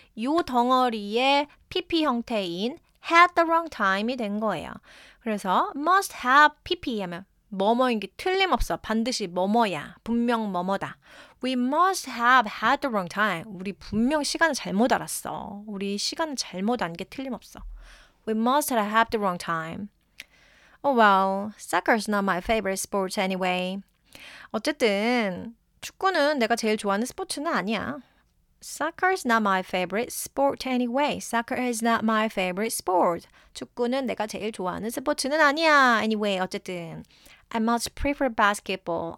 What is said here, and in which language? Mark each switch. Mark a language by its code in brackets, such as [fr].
[ko] 요 덩어리의 PP 형태인 [en] had the wrong time [ko] 이 된 거예요. 그래서 [en] must have PP [ko] 하면 뭐뭐인 게 틀림없어. 반드시 뭐뭐야. 분명 뭐뭐다. [en] We must have had the wrong time. [ko] 우리 분명 시간을 잘못 알았어. 우리 시간을 잘못 안 게 틀림없어. [en] We must have the wrong time. Oh well, soccer's not my favorite sport anyway. [ko] 어쨌든 축구는 내가 제일 좋아하는 스포츠는 아니야. [en] Soccer's not my favorite sport anyway. Soccer is not my favorite sport. [ko] 축구는 내가 제일 좋아하는 스포츠는 아니야. [en] Anyway, [ko] 어쨌든 [en] I much prefer basketball.